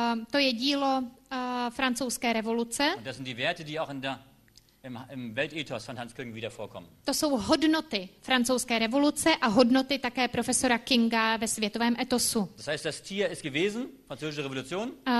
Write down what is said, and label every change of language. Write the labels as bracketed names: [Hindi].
[Czech] To je dílo francouzské revoluce. [German] Und das sind die Werte, die auch in der im Weltethos von Hans Küng wieder vorkommen. [Czech] To jsou hodnoty francouzské revoluce a hodnoty také profesora Kinga ve světovém etosu. [German] Das heißt, das Tier ist gewesen, französische Revolution.